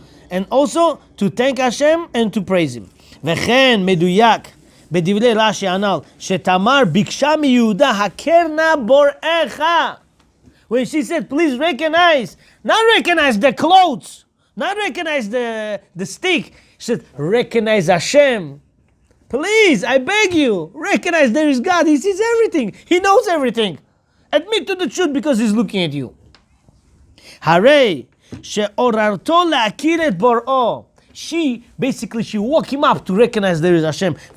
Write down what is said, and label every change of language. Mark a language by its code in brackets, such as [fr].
[en] And also, to thank Hashem and to praise him. [he] וכן מדויק בדברי רשי הנ"ל שתמר ביקשה מיהודה הכר נא בוראך. [en] When she said, please recognize, not recognize the clothes, not recognize the stick, she said, recognize Hashem. Please, I beg you, recognize there is God. He sees everything. He knows everything. Admit to the truth because he's looking at you. [he] הרי שעוררתו להכיר את בוראו. [en] She woke him up to recognize there is Hashem.